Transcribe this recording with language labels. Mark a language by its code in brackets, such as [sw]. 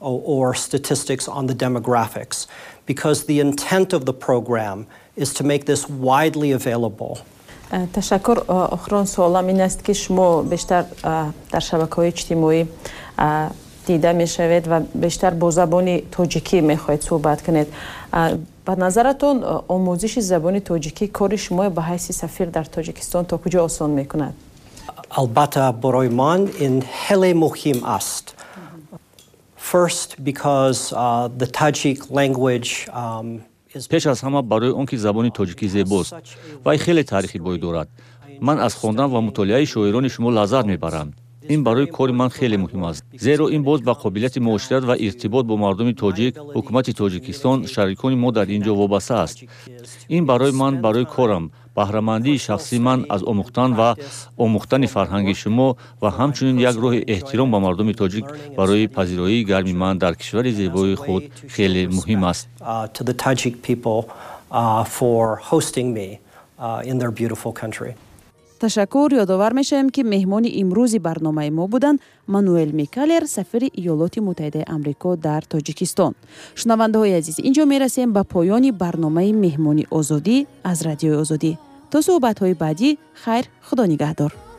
[en] Because the intent of the program is to make this widely available. [fa] تشکر. آخرون سوالم این است که شما بیشتر در شبکه‌های اجتماعی دیده می شوید و بیشتر با زبان تاجیکی می خواهید صحبت کنید. به نظرتون آموزش زبان تاجیکی کار شما به حیث سفیر در تاجیکستان تا کجا آسان می کند؟ البته برای من این خیلی مهم است. [en] First, because the Tajik language [fa] پیش از همه برای اون که زبان تاجیکی زیباست و خیلی تاریخی بوی دارد. من از خواندن و مطالعه شاعران شما لذت میبرم. این برای کار من خیلی مهم است، زیرا این باز به قابلیت معاشرت و ارتباط با مردم تاجیک، حکومت تاجیکستان، شریکان ما در اینجا وابسته است. این برای من، برای کارم، بهره‌مندی شخصی من از آموختن و آموختن فرهنگ شما و همچنین یک روح احترام به مردم تاجیک برای پذیرایی گرم من در کشور زیبای خود خیلی مهم است. [en] Tajik people for hosting me in their beautiful country. [fa] تشکر. یادآور میشیم که مهمان امروز برنامه ما بودند مانوئل میکلر، سفیر ایالات متحده آمریکا در تاجیکستان. شنونده های عزیز، اینجا میرسیم به پایان برنامه مهمان آزادی از رادیو آزادی. تا صحبت های بعدی، خیر، خدا نگهدار.